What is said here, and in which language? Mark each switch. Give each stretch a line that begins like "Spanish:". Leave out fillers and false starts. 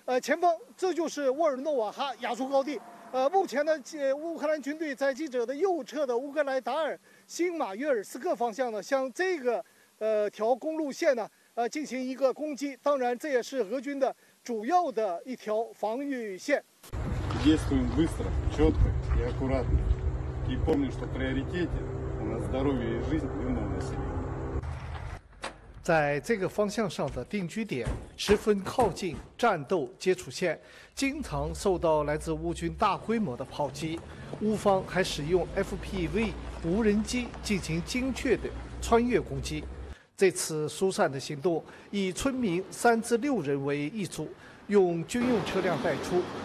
Chinese: 前方这就是沃尔诺瓦哈亚速高地。目前呢，乌克兰军队在记者的右侧的乌克兰达尔新马约尔斯克方向呢，向这个条公路线呢，进行一个攻击。当然，这也是俄军的主要的一条防御线。
Russian: действуем быстро, четко и аккуратно, и помним, что приоритете у нас здоровье и жизнь мирного населения。
Chinese: 在这个方向上的定居点十分靠近战斗接触线，经常受到来自乌军大规模的炮击。乌方还使用 FPV 无人机进行精确的穿越攻击。这次疏散的行动以村民3-6人为一组，用军用车辆带出。